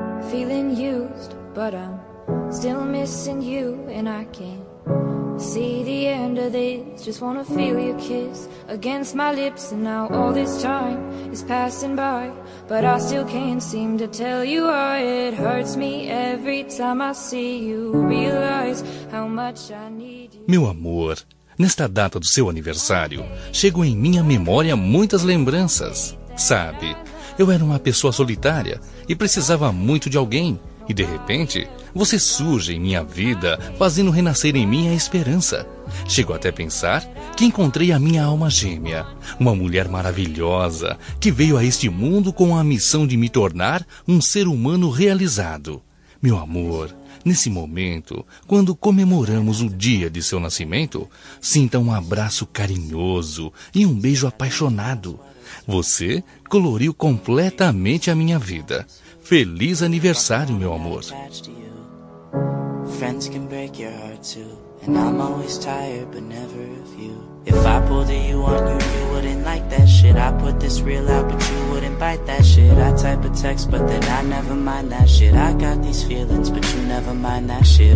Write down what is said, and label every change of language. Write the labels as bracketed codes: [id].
[en] feeling used, but I'm still missing you, and I can't see the end of this. Just wanna feel your kiss against my lips, and now all this time is passing by, but I still can't seem to tell you why. It hurts me every time I see you, realize how much I need you. [pt] Meu amor, nesta data do seu aniversário, chegam em minha memória muitas lembranças. Sabe, eu era uma pessoa solitária e precisava muito de alguém. E de repente, você surge em minha vida, fazendo renascer em mim a esperança. Chego até a pensar que encontrei a minha alma gêmea, uma mulher maravilhosa que veio a este mundo com a missão de me tornar um ser humano realizado. Meu amor, nesse momento, quando comemoramos o dia de seu nascimento, sinta um abraço carinhoso e um beijo apaixonado. Você coloriu completamente a minha vida. Feliz aniversário, meu amor. [en] Friends can break your heart too, and I'm always tired, but never of you. If I pulled a you on you, you wouldn't like that shit. I put this real out, but you wouldn't bite that shit. I type a text, but then I never mind that shit. I got these feelings, but you never mind that shit.